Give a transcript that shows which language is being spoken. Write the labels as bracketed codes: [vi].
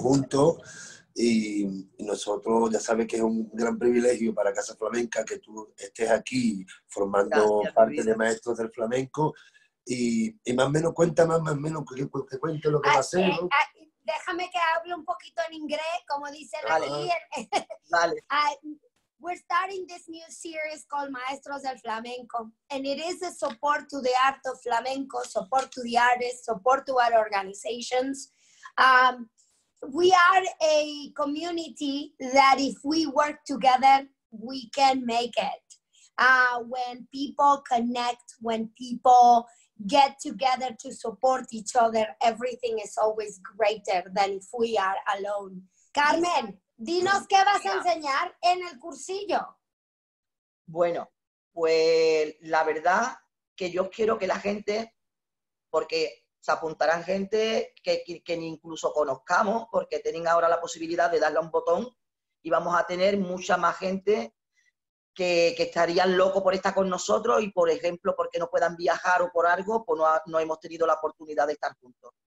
[es] juntos y nosotros ya sabes que es un gran privilegio para Casa Flamenca que tú estés aquí formando Gracias, mi parte de vida. Maestros del Flamenco y más o menos cuenta más o menos que cuente lo que va a ser, ¿no? Déjame que hable un poquito en inglés, como dicen aquí. Vale, vale. [en] We're starting this new series called Maestros del Flamenco, and it is a support to the art of flamenco, support to the artists, support to our organizations. We are a community that if we work together, we can make it. When people connect, when people get together to support each other, everything is always greater than if we are alone. [es] Carmen, dinos qué vas a enseñar en el cursillo. Bueno, pues la verdad que yo quiero que la gente, porque se apuntarán gente que ni incluso conozcamos, porque tienen ahora la posibilidad de darle a un botón y vamos a tener mucha más gente que estarían locos por estar con nosotros y, por ejemplo, porque no puedan viajar o por algo, pues no hemos tenido la oportunidad de estar juntos.